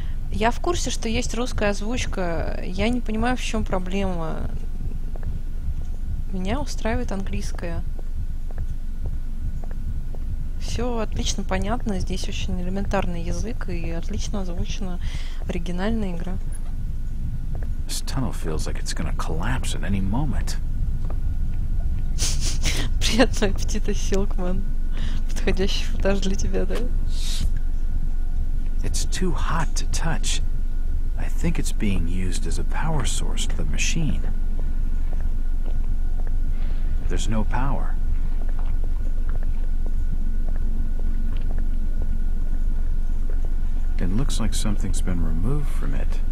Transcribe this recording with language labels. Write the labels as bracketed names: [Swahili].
[Russian] Я в курсе, что есть русская озвучка. Я не понимаю, в чем проблема. Меня устраивает английская. Все отлично понятно, здесь очень элементарный язык и отлично озвучена оригинальная игра. [English] This tunnel feels like it's gonna collapse at any moment. [Russian] Приятного аппетита, Силкман. Подходящий футаж для тебя, да? [English] It's too hot to touch. I think it's being used as a power source to the machine. There's no power. It looks like something's been removed from it.